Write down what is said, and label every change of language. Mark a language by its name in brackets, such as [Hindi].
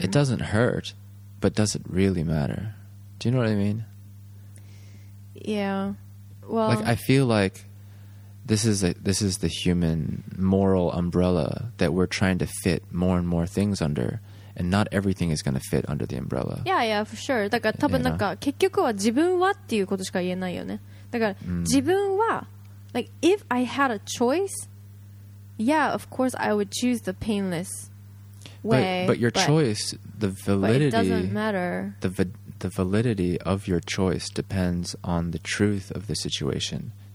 [English] It doesn't hurt, but does it really matter? Do you know what I mean? Yeah. Well, like I feel like this is the human moral umbrella that we're trying to fit more and more things under. And not everything is going to fit under the umbrella. Yeah, yeah, for sure. [Japanese] だから多分なんか結局は自分はっていうことしか言えないよね。だから自分は、 [English] like if I had a choice, yeah, of course I would choose the painless way. But your choice, the validity, but it doesn't matter. The validity of your choice depends on the truth of the situation.